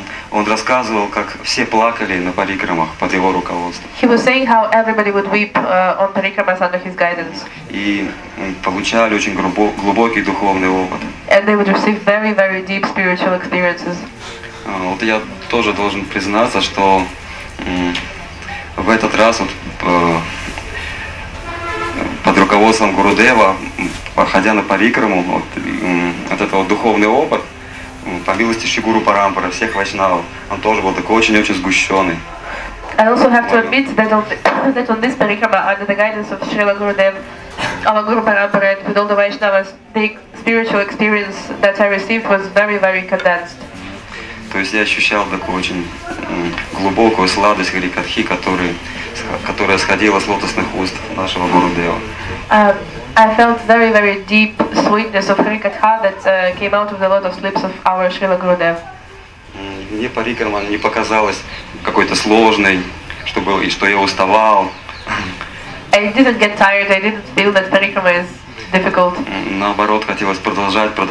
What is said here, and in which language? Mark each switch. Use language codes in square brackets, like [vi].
[ru] Он рассказывал, как все плакали на парикрамах под его руководством. [en] He was saying how everybody would weep on parikramas under his guidance. [ru] И получали очень глубокий духовный опыт. [en] And they would receive very, very deep spiritual experiences. [ru] Вот я тоже должен признаться, что в этот раз вот под руководством Гурудева, проходя на парикраму, вот этот вот духовный опыт, по милости Шри Гуру Парампара, всех вайшнавов, он тоже был такой очень-очень сгущенный. [en] I also have to admit that on this парикрама, under the guidance of Srila Gurudeva, our Guru Parampara, and with all the Vaishnavas, the spiritual experience that I received was very, very condensed. [ru] То есть я ощущал такую очень глубокую сладость Хари Катхи, которая сходила с лотосных уст нашего Гурудева. [en] I felt very, very deep sweetness of Hari Katha that came out of the lotus lips of our Srila Gurudev. [ru] Мне парикрама не показалось какой-то сложной, что я уставал. [en] I didn't get tired, I didn't feel that парикрама is difficult. [ru] Наоборот, хотелось продолжать.